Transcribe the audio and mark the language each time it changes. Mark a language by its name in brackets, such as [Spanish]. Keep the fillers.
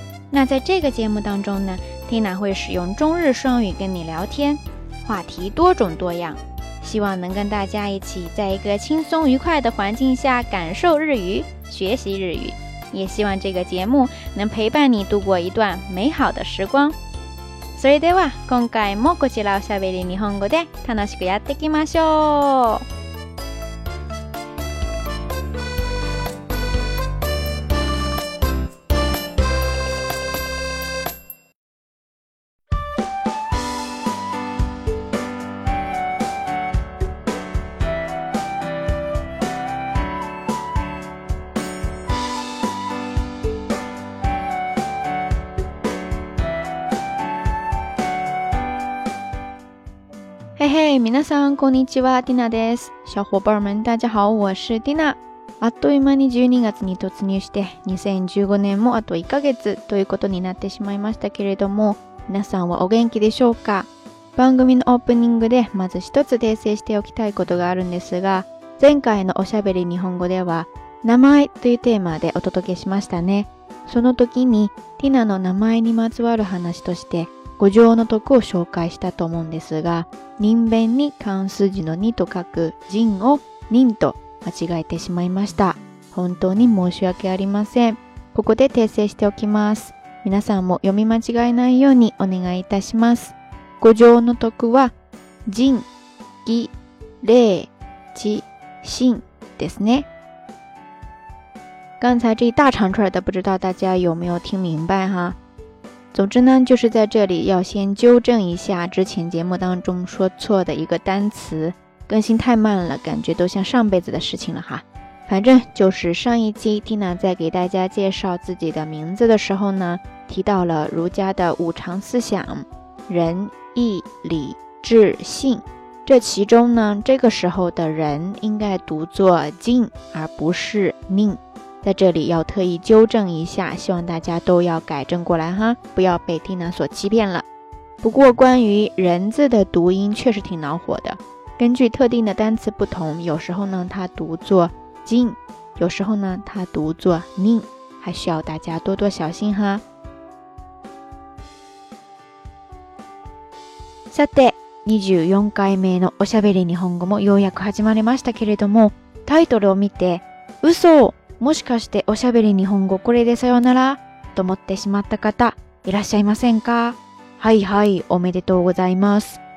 [Chinese] 那在这个节目当中呢，Tina 会使用中日双语跟你聊天，话题多种多样。希望能跟大家一起，在一个轻松愉快的环境下感受日语、学习日语，也希望这个节目能陪伴你度过一段美好的时光。 [Japanese] それでは、今回もこちらをしゃべり日本語で楽しくやっていきましょう。嗨，さんこんにちは、ティナです。 [Chinese] 小伙伴们，大家好，我是ティナ。 [Japanese] あっという間に12月に突入して、2015年もあと1ヶ月ということになってしまいましたけれども、皆さんはお元気でしょうか番組のオープニングでまず一つ訂正しておきたいことがあるんですが、前回のおしゃべり日本語では、名前というテーマでお届けしましたね。その時に、ティナの名前にまつわる話として、五条の徳を紹介したと思うんですが、人弁に関数字の2と書く人を人と間違えてしまいました。本当に申し訳ありません。ここで訂正しておきます。皆さんも読み間違えないようにお願いいたします。五条の徳は、人、義、礼、智、信ですね。 [Chinese] 刚才这一大长串的，不知道大家有没有听明白哈、啊？总之呢，就是在这里要先纠正一下之前节目当中说错的一个单词。更新太慢了，感觉都像上辈子的事情了哈。反正就是上一期蒂娜在给大家介绍自己的名字的时候呢，提到了儒家的五常思想：仁、义、礼、智、信。这其中呢，这个时候的“人应该读作“敬”，而不是“宁”。在这里要特意纠正一下，希望大家都要改正过来哈，不要被蒂娜所欺骗了。不过关于人字的读音确实挺恼火的，根据特定的单词不同，有时候呢它读作 j 有时候呢它读作 n 还需要大家多多小心哈。 [Japanese] さて、二十四回目のおしゃべり日本語もようやく始まりましたけれども、タイトルを見て、嘘を。もしかしておしゃべり日本語これでさよならと思ってしまった方いらっしゃいませんかはいはい、おめでとうございます。